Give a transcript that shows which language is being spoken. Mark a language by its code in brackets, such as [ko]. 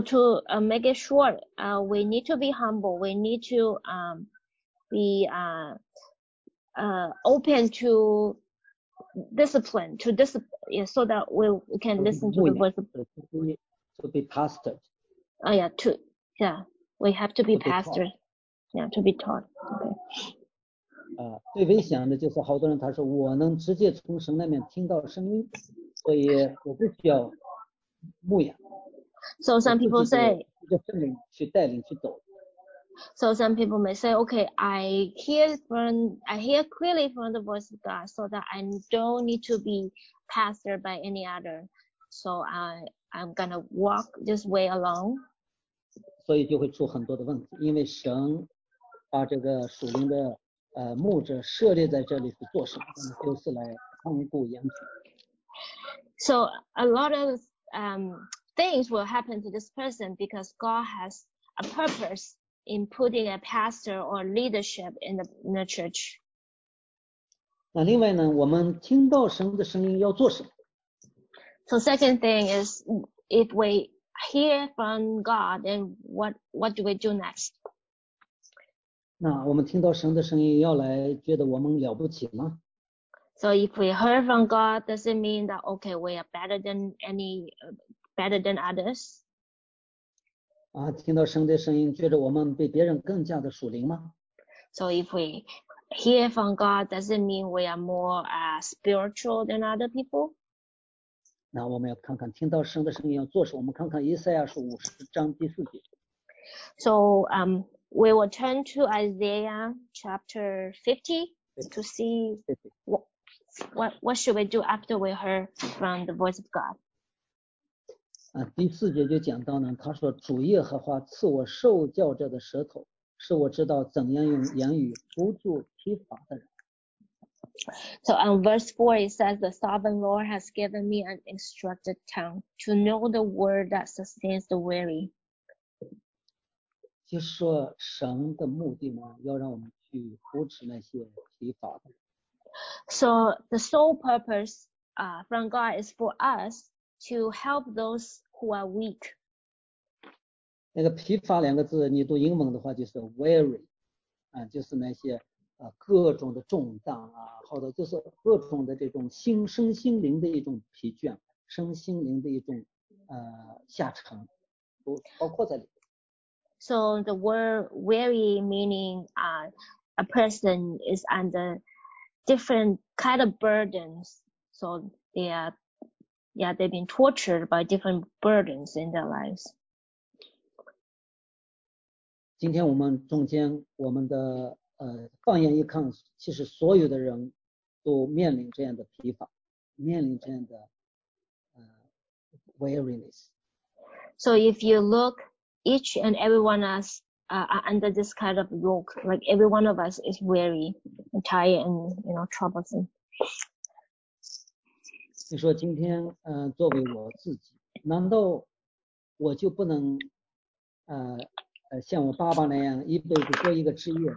[en] So to make it short, we need to be humble. We need to be open to discipline, to discipline, yeah, so that we can listen to the voice of God. To be pastored. We have to be pastored. Yeah, to be taught. Okay. [zh] 最危险的就是好多人他说我能直接从神那边听到声音，所以我不需要牧养。 [en] So some people say, [zh] 就圣灵去带领去走。 [en] So some people may say, okay, I hear clearly from the voice of God, so that I don't need to be pastored by any other. So I'm gonna walk this way alone. [zh] 所以就会出很多的问题，因为神把这个属灵的牧者设立在这里是做什么？就是来看顾羊群。 [en] So a lot of things will happen to this person because God has a purpose in putting a pastor or leadership in the church. [zh] 那另外呢，我们听到神的声音要做什么 [en] ？So second thing is if we hear from God, then what do we do next? [zh] 那我们听到神的声音要来觉得我们了不起吗 [en] ？So if we heard from God, does it mean that okay we are better than others? [zh] 啊，听到神的声音，觉得我们比别人更加的属灵吗 [en] ？So if we hear from God, does it mean we are more spiritual than other people? [zh] 那我们要看看听到神的声音要做什么？我们看看以赛亚书五十章第四节。 [en] So We will turn to Isaiah chapter 50 to see what should we do after we heard from the voice of God. [zh] 第四节就讲到呢，他说主耶和华赐我受教者的舌头，使我知道怎样用言语扶助疲乏的人。 [en] So on verse 4 it says, The sovereign Lord has given me an instructed tongue to know the word that sustains the weary. [zh] 就是说神的目的呢要让我们去扶持那些疲乏的。 [en] So the sole purpose, from God is for us to help those who are weak. [zh] 那个疲乏两个字你读英文的话就是 weary, 就是那些各种的重担啊，好的就是各种的这种身心灵的一种疲倦，身心灵的一种下沉，都包括在里面。 [en] So the word weary meaning a person is under different kind of burdens. So they've been tortured by different burdens in their lives. 今天我们中间我们的放眼一看，其实所有的人都面临这样的疲乏，面临这样的weariness. So if you look. Each and every one of us are under this kind of yoke. Like every one of us is weary and tired and, you know, troublesome. [zh] 你说今天作为我自己，难道我就不能像我爸爸那样一辈子做一个职业？